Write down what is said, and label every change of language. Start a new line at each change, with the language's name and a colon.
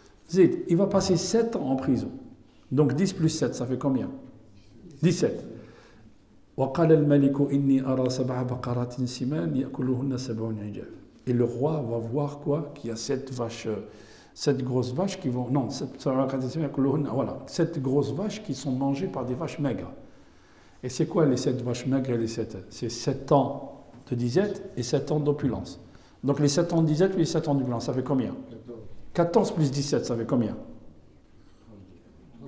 French: Zid, il va passer 7 ans en prison. Donc 10 plus 7, ça fait combien ? 17.
Arabic: وقال الملك إني أرى سبع بقرات سمان يأكلهن سبعون عجاف.
French: Et le roi va voir quoi ? Qu'il y a 7 grosses vaches qui vont... Non, 7 grosses vaches qui sont mangées par des vaches maigres. Et c'est quoi les 7 vaches maigres et les 7 ? C'est 7 ans de disette et 7 ans d'opulence. Donc les 7 ans de disette et les 7 ans d'opulence, ça fait combien ? 14 plus 17, ça fait combien ?